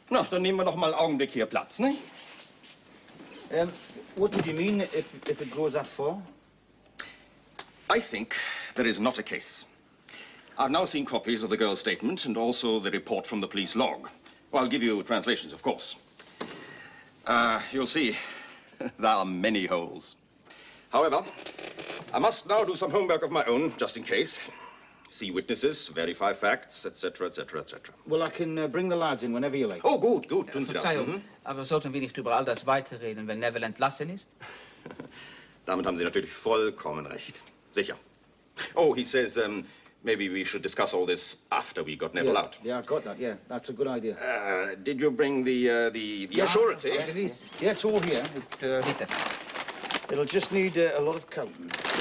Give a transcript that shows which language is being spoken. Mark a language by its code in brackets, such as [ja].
[de] Na, dann nehmen wir noch mal Augenblick hier Platz, ne? [en] What did you mean, if it goes that far? I think there is not a case. I've now seen copies of the girl's statement and also the report from the police log. Well, I'll give you translations, of course. You'll see, there are many holes. However, I must now do some homework of my own, just in case. See witnesses, verify facts, etc., etc., etc. Well, I can bring the lads in whenever you like. [de] Oh, gut, gut. Tun Sie das. Verzeihung, aber sollten wir nicht über all das weiterreden, wenn Neville entlassen ist? Damit haben Sie natürlich vollkommen recht. Sicher. [en] Oh, he says, maybe we should discuss all this after we got Neville out. Yeah, I got that, yeah. That's a good idea. Did you bring the surety? Yeah, it is. Yeah, it's all here. It'll just need a lot of counting.